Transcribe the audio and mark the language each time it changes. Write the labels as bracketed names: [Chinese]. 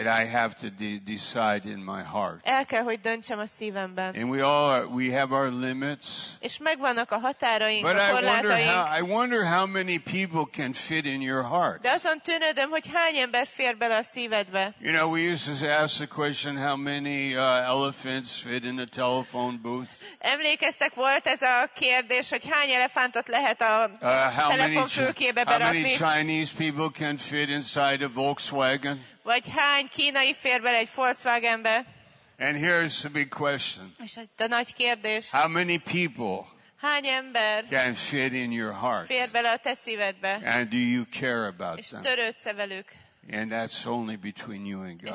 [English] That I have to decide in my heart. [Hungarian] El kell, hogy döntsem a szívemben. [English] And we have our limits. [Hungarian] És megvannak a határaink, [English] But [Hungarian] a korlátaink. [English] I wonder how many people can fit in your heart. [Hungarian] De azon tűnődöm, hogy hány ember fér bele a szívedbe. [English] You know, we used to ask the question, how many elephants fit in a telephone booth? [Hungarian] Emlékeztek, volt ez a kérdés, hogy hány elefántot lehet a telefonfülkébe berakni? [English] How many Chinese people can fit inside a Volkswagen? [Hungarian] Vagy hány kínai fér bele egy Volkswagenbe? [English] And here's the big question. [Hungarian] És a nagy kérdés. [English] How many people? [Hungarian] Hány ember? [English] Can fit in your heart? [Hungarian] Fér bele a te szívedbe? [English] And do you care about them? [Hungarian] És törődsz-e velük? [English] And that's only between you and God.